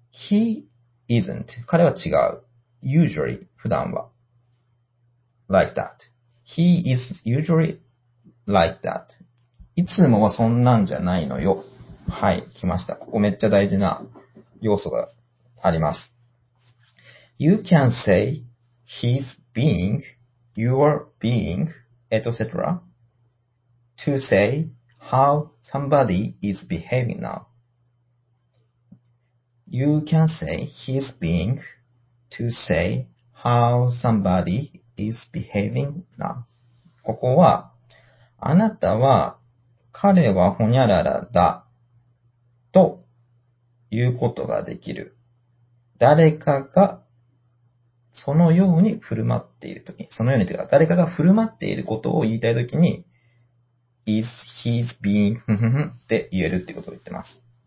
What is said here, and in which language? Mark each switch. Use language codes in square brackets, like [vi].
[en] He isn't. [ja] 彼は違う。 [en] Usually. [ja] 普段は。 [en] Like that. He is usually like that. [ja] いつもはそんなんじゃないのよ。はい、来ました。ここめっちゃ大事な要素があります。 [en] You can say he's being, you're being, etc. to say how somebody is behaving now. You can say he's being to say how somebody is behaving now. [ja] ここは、あなたは彼はほにゃららだ。ということができる。誰かがそのように振る舞っているとき、そのようにというか、誰かが振る舞っていることを言いたいときに、 [en] is he's being [ja] って言えるっていうことを言ってます。